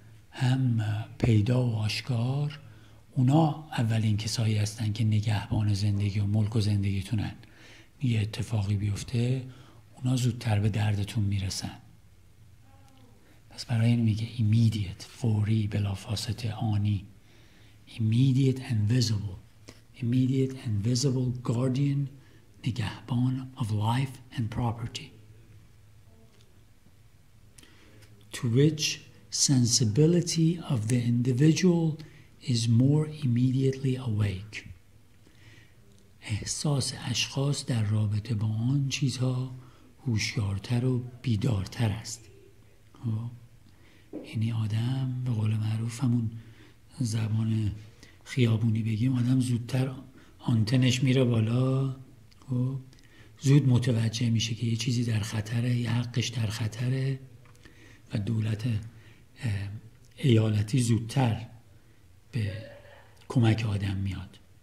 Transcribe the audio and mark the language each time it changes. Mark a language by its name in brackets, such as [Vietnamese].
[Persian] هم پیدا و آشکار اونا اولین کسایی هستن که نگهبان زندگی و ملک و زندگیتونن. یه اتفاقی بیفته اونا زودتر به دردتون میرسن. پس برای این میگه immediate، فوری، بلافاصله، آنی. [English] immediate and visible guardian، نگهبان of life and property. to which sensibility of the individual is more immediately awake. [Persian] احساس اشخاص در رابطه با آن چیزها هوشیارتر و بیدارتر است. یعنی آدم به قول معروف همون زبان خیابونی بگیم، آدم زودتر آنتنش میره بالا، زود متوجه میشه که یه چیزی در خطره، یه حقش در خطره و دولت ایالتی زودتر به کمک آدم میاد.